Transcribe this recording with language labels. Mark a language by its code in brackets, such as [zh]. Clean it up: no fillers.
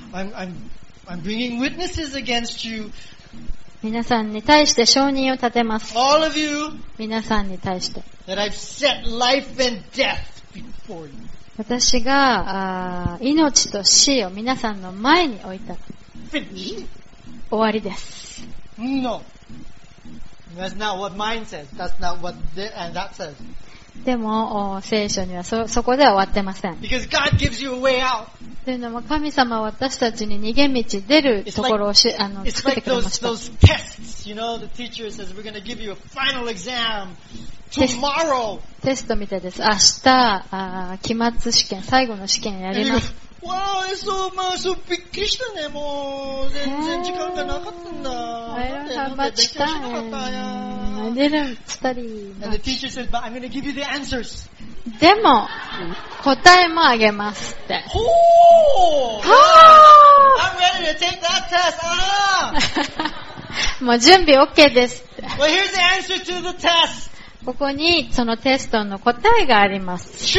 [en] I'm bringing witnesses against you. [ja] 皆さんに対して証人を立てます。 [en] All of you, [ja] 皆さんに対して。 [en] That I've set life and death before you. [ja] 私が命と死を皆さんの前に置いた。 [en] Finish. [ja] 終わりです。 [en] No. That's not what mine says. That's not what this and that says. [ja] でも聖書には そこでは終わってません。 [en] Because God gives you a way out. [ja] というのも神様は私たちに逃げ道出るところを作ってくれました。 [en] those tests, you know, the teacher says we're going to give you a final exam tomorrow. [ja] テストみたいです。明日期末試験、最後の試験やります。 [en] Wow, it's so much, so [ja] びっくりしたね。もう全然時間がなかったんだ。何で勉強しなかったんや。 [en] I didn't study much. And the teacher said, but I'm going to give you the answers. [ja] でも、答えもあげますって。 Oh! Oh! [en] I'm ready to take that test. Ah! [ja] もう準備 OK ですって。 [en] Well, here's the answer to the test. [ja] ここにそのテストの答えがあります。